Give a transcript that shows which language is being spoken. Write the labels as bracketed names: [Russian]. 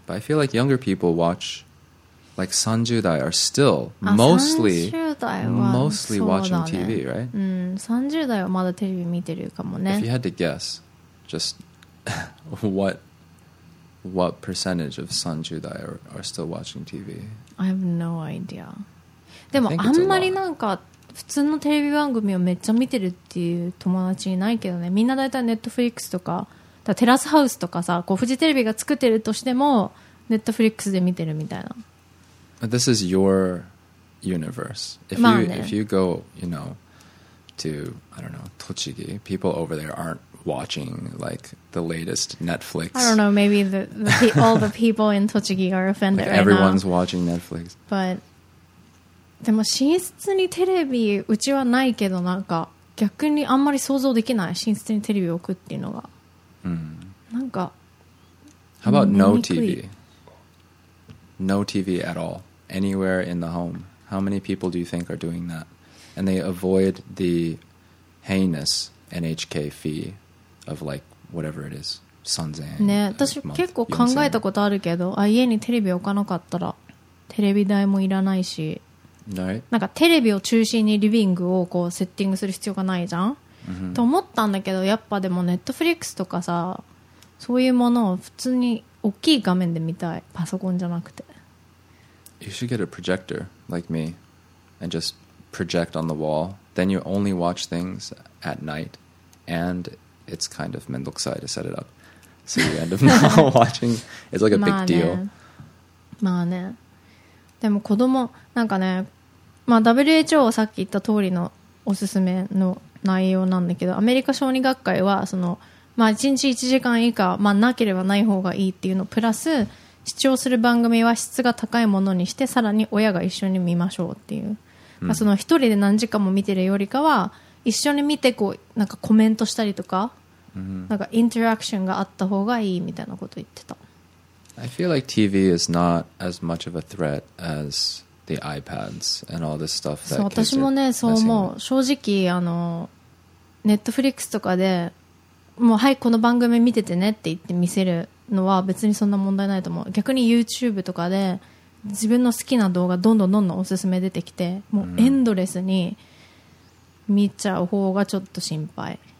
[English] But I feel like younger people watch, like 30 dai are still mostly, mostly watching TV, right? [Japanese] 30 dai はまだテレビ見てるかもね。 [English] If you had to guess, just what percentage of 30 dai are still watching TV? I have no idea. [Japanese] でもあんまりなんか普通のテレビ番組をめっちゃ見てるっていう友達いないけどね。みんなだいたい Netflix とか。だテラスハウスとかさ、こうフジテレビが作ってるとしてもネットフリックスで見てるみたいな。 [English] But this is your universe. If you、ね、if you go, you know, to I don't know, Tochigi, people over there aren't watching like the latest Netflix. I don't know. Maybe all the people in Tochigi are offended. Like, everyone's right now. watching Netflix. But [Japanese] でも寝室にテレビうちはないけど、なんか逆にあんまり想像できない、寝室にテレビを置くっていうのが、うん、なんか [English] How about no TV? No TV at all anywhere in the home. How many people do you think are doing that? And they avoid the heinous NHK fee of like whatever it is, 3000円。 [Japanese] ね、私結構考えたことあるけど、あ、家にテレビ置かなかったらテレビ台もいらないし、なんかテレビを中心にリビングをこうセッティングする必要がないじゃん、 mm-hmm. と思ったんだけど、やっぱでもネットフリックスとかさ、そういうものを普通に大きい画面で見たい、パソコンじゃなくて。 [English] You should get a projector like me and just project on the wall. Then you only watch things at night and it's kind of [Japanese] 面倒くさいと [English] set it up. So you end up not watching. It's like a big deal. [Japanese] まあね、でも子供なんかね、まあ、WHO はさっき言った通りのおすすめの内容なんだけど、アメリカ小児学会はその、まあ、1日1時間以下、まあ、なければない方がいいっていうのプラス、視聴する番組は質が高いものにして、さらに親が一緒に見ましょうっていう、まあ、その一人で何時間も見てるよりかは一緒に見てこうなんかコメントしたりとか、なんかインタラクションがあった方がいいみたいなこと言ってた。 [English] I feel like TV is not as much of a threat as the iPads and all this stuff that kids are messing with. So, [Japanese] 私もね、そう思う。正直、Netflix とかで、もう、はい、この番組見ててねって言って見せるのは別にそんな問題ないと思う。逆に YouTube とかで自分の好きな動画どんどんどんどんおすすめ出てきて、もうエンドレスに見ちゃう方がちょっと心配。